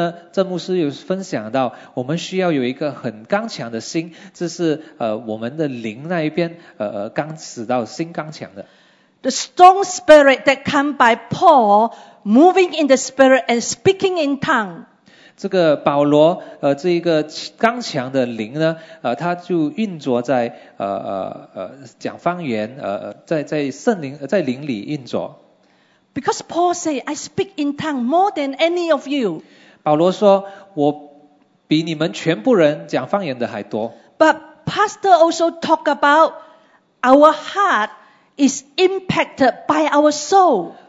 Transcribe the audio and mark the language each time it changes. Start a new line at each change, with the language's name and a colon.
Chinese: 郑牧师有分享到，我们需要有一个很刚强的心，这是我们的灵那一边刚使到心刚强的。
English: The strong spirit that come by Paul moving in the spirit and speaking in tongue.
Chinese: 这个保罗这一个刚强的灵呢，他就运作在讲方言，在圣灵在灵里运作。
English: Because Paul said, "I speak in tongue more than any of you."
Chinese: 保罗说，我比你们全部人讲方言的还多。
English: But Pastor also talk about our heart. Is impacted by our soul.